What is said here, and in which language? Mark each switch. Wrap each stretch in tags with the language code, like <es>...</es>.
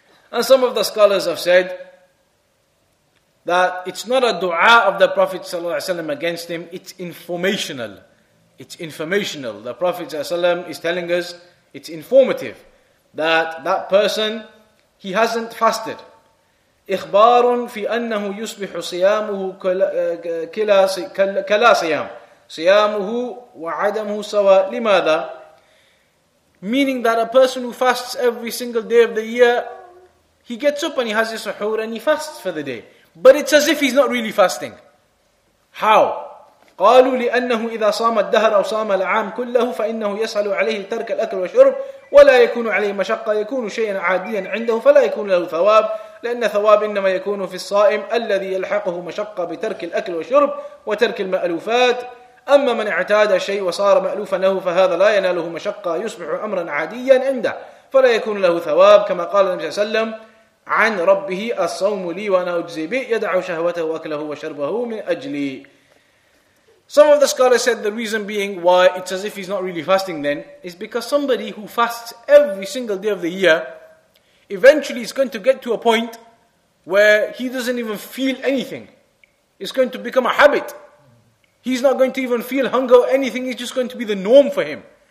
<en>And some of the scholars have said that it's not a dua of the Prophet ﷺ against him, it's informational. It's informational. The Prophet ﷺ is telling us, it's informative, that that person, he hasn't fasted.</en> <ar>إخبار في أنه يصبح صيامه كلا صيام صيامه وعدمه سواء لماذا.</ar> <en>Meaning that a person who fasts every single day of the year, he gets up and he has his suhoor and he fasts for the day, but it's as if he's not really fasting. How?</en> <ar>قالوا لأنه إذا صام الدهر أو صام العام كله فإنه يسهل عليه ترك الأكل والشرب ولا يكون عليه مشقة يكون شيئا عاديا عنده فلا يكون له ثواب لأن ثواب إنما يكون في الصائم الذي يلحقه مشقة بترك الأكل والشرب وترك المألوفات. أما من اعتاد شيء وصار مألوفا له فهذا لا يناله مشقة يصبح أمرا عاديا عنده فلا يكون له ثواب كما قال النبي صلى الله عليه وسلم عن ربه الصوم لي وأنا أجزي به يدع شهوته وأكله وشربه من أجلي.</ar> <en>Some of the scholars said the reason being why it's as if he's not really fasting then is because somebody who fasts every single day of the year, eventually is going to get to a point where he doesn't even feel anything. It's going to become a habit. He's not going to even feel hunger or anything, it's just going to be the norm for him.</en>